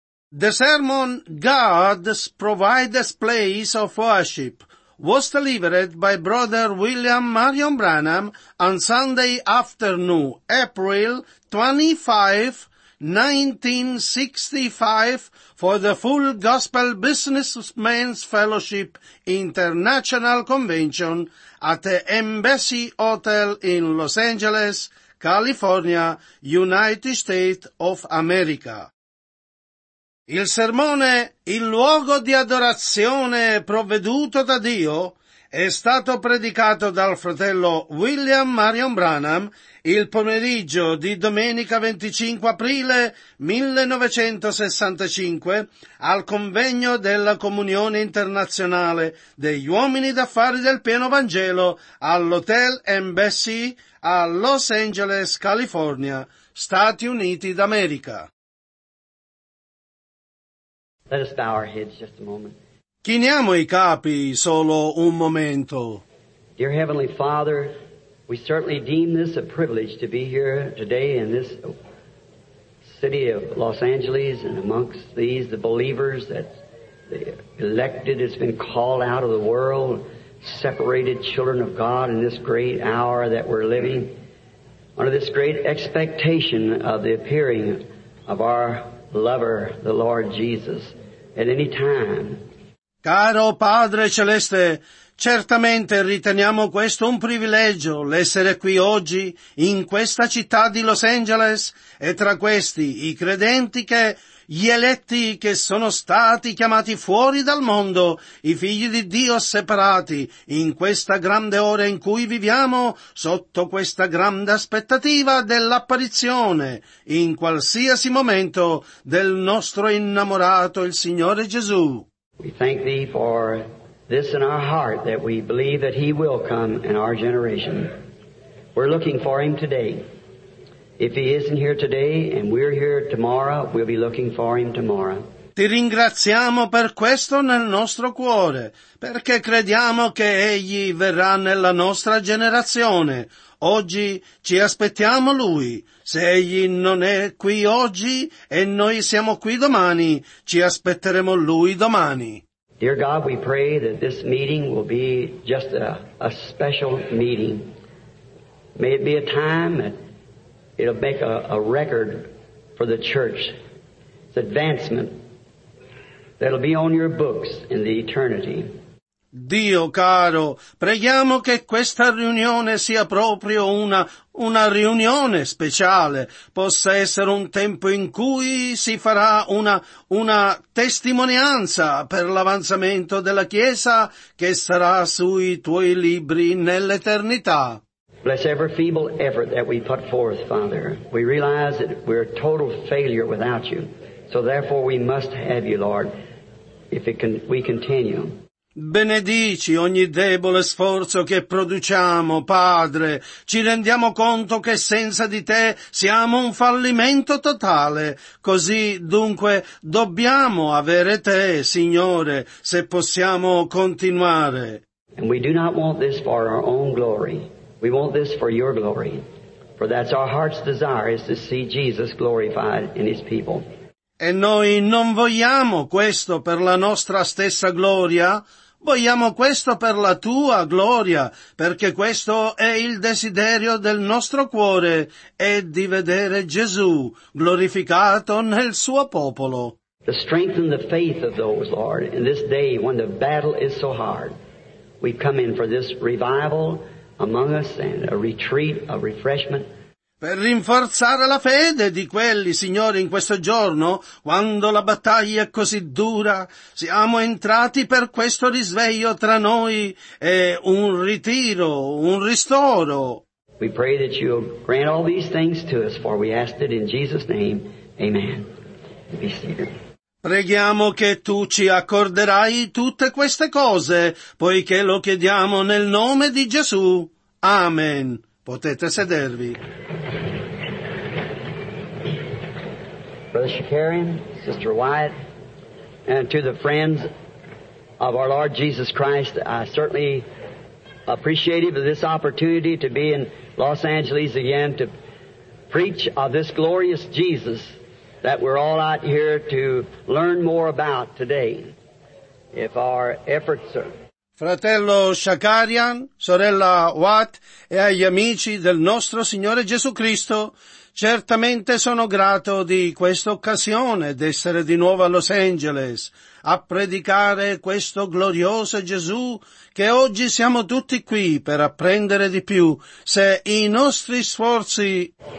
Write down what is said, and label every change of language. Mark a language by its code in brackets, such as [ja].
[en] The sermon "God's Provided Place of Worship" was delivered by Brother William Marion Branham on Sunday afternoon, April 25, 1965, for the Full Gospel Businessmen's Fellowship International Convention at the Embassy Hotel in Los Angeles, California, United States of America. [it] Il sermone «Il luogo di adorazione provveduto da Dio» è stato predicato dal fratello William Marion Branham il pomeriggio di domenica 25 aprile 1965 al convegno della Comunione Internazionale degli Uomini d'Affari del Pieno Vangelo all'Hotel Embassy a Los Angeles, California, Stati Uniti d'America. [en] Let us bow our heads just a moment. [it] Chiniamo i capi solo un momento. [en] Dear Heavenly Father, we certainly deem this a privilege to be here today in this city of Los Angeles and amongst these, the believers that the elected has been called out of the world, separated children of God in this great hour that we're living, under this great expectation of the appearing of our lover, the Lord Jesus. At any time. [it] Caro Padre Celeste, certamente riteniamo questo un privilegio, l'essere qui oggi, in questa città di Los Angeles, e tra questi i credenti che, gli eletti che sono stati chiamati fuori dal mondo, i figli di Dio separati, in questa grande ora in cui viviamo, sotto questa grande aspettativa dell'apparizione, in qualsiasi momento, del nostro innamorato, il Signore Gesù. [en] We thank Thee for this in our heart, that we believe that He will come in our generation. We're looking for Him today. If He isn't here today and we're here tomorrow, we'll be looking for Him tomorrow. [it] Ti ringraziamo per questo nel nostro cuore, perché crediamo che Egli verrà nella nostra generazione. Oggi ci aspettiamo Lui. Se Egli non è qui oggi e noi siamo qui domani, ci aspetteremo Lui domani. [en] Dear God, we pray that this meeting will be just a special meeting. May it be a time that it'll make a record for the church. It's advancement that'll be on your books in the eternity. [it] Dio caro, preghiamo che questa riunione sia proprio una riunione speciale, possa essere un tempo in cui si farà una testimonianza per l'avanzamento della Chiesa che sarà sui tuoi libri nell'eternità. [en] Bless every feeble effort that we put forth, Father. We realize that we're a total failure without you. So therefore we must have you, Lord, if we continue. [it] Benedici ogni debole sforzo che produciamo, Padre. Ci rendiamo conto che senza di Te siamo un fallimento totale. Così, dunque, dobbiamo avere Te, Signore, se possiamo continuare. [en] And we do not want this for our own glory. We want this for Your glory. For that's our heart's desire, is to see Jesus glorified in His people. [it] E noi non vogliamo questo per la nostra stessa gloria. Vogliamo questo per la Tua gloria, perché questo è il desiderio del nostro cuore, è di vedere Gesù glorificato nel Suo popolo. [en] To strengthen the faith of those, Lord, in this day when the battle is so hard, we come in for this revival among us and a retreat, a refreshment. [it] Per rinforzare la fede di quelli, Signore, in questo giorno, quando la battaglia è così dura, siamo entrati per questo risveglio tra noi e un ritiro, un ristoro. [en] We pray that you'll grant all these things to us, for we ask it in Jesus' name. Amen. Be seated. [it] Preghiamo che Tu ci accorderai tutte queste cose, poiché lo chiediamo nel nome di Gesù. Amen. Potete sedervi. [en] Brother Shakarian, Sister Wyatt, and to the friends of our Lord Jesus Christ, I certainly appreciate this opportunity to be in Los Angeles again to preach of this glorious Jesus that we're all out here to learn more about today. If our efforts are... [it] Fratello Shakarian, sorella Watt e agli amici del nostro Signore Gesù Cristo, certamente sono grato di questa occasione d'essere di nuovo a Los Angeles a predicare questo glorioso Gesù che oggi siamo tutti qui per apprendere di più se i nostri sforzi...